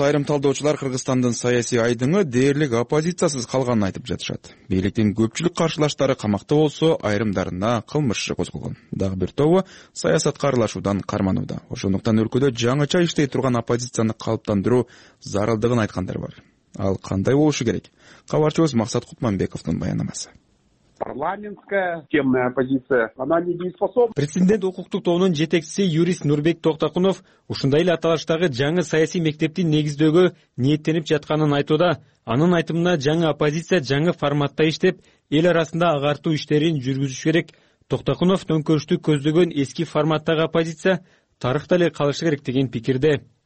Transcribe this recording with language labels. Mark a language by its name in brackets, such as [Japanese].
[Kyrgyz] Айрым талдоочулар Кыргызстандын саясий айдыңы дээрлик оппозициясыз калганын айтып жатышат. Бийликтин көпчүлүк каршылаштары камакта болсо, айрымдарына кылмыш иши козголгон. Дагы бир тобу саясатка аралашуудан карманууда. Ошондуктан өлкөдө жаңыча иштей турган оппозицияны калыптандыруу зарылдыгын айткандар бар. Ал кандай болушу керек? Кабарчыбыз Максат Кутманбековдун баяндамасы. [Russian] Парламентская темная оппозиция, она недееспособна. [Kyrgyz] Президент укуктук тобунун жетекчиси юрист Нурбек Токтокунов ушундай эле аталыштагы жаңы саясий мектепти негиздөөгө ниеттенип жатканын айтууда. Анын айтымына жаңы оппозиция жаңы форматта иштеп, эл арасында агартуу иштерин жүргүзүш керек. Токтокунов төңкөрүштү көздөгөн эски форматтагы оппозиция тарыхта эле калышы керек деген пикирде.